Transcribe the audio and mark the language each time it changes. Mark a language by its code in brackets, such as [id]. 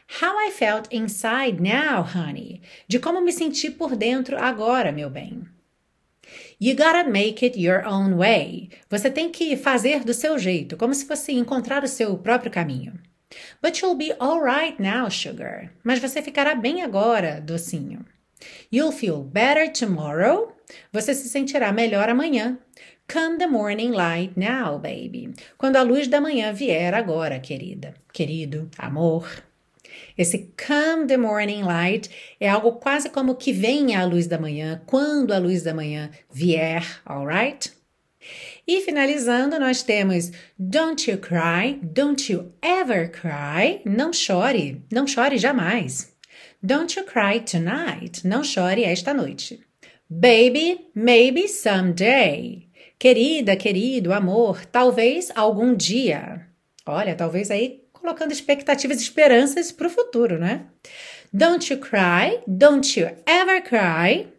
[en] How I felt inside now, honey. [pt] De como me senti por dentro agora, meu bem. [en] You gotta make it your own way. [pt] Você tem que fazer do seu jeito, como se fosse encontrar o seu próprio caminho. [en] But you'll be all right now, sugar. [pt] Mas você ficará bem agora, docinho. [en] You'll feel better tomorrow. [pt] Você se sentirá melhor amanhã. [en] Come the morning light now, baby. [pt] Quando a luz da manhã vier agora, querida. Querido, amor. Esse [en] come the morning light [pt] é algo quase como que venha a luz da manhã, quando a luz da manhã vier, alright? E finalizando, nós temos [en] don't you cry, don't you ever cry, [pt] não chore jamais. [en] Don't you cry tonight, [pt] não chore esta noite. [en] Baby, maybe someday. [pt] Querida, querido, amor, talvez algum dia. Olha, talvez aí colocando expectativas e esperanças para o futuro, né? [en] Don't you cry, don't you ever cry.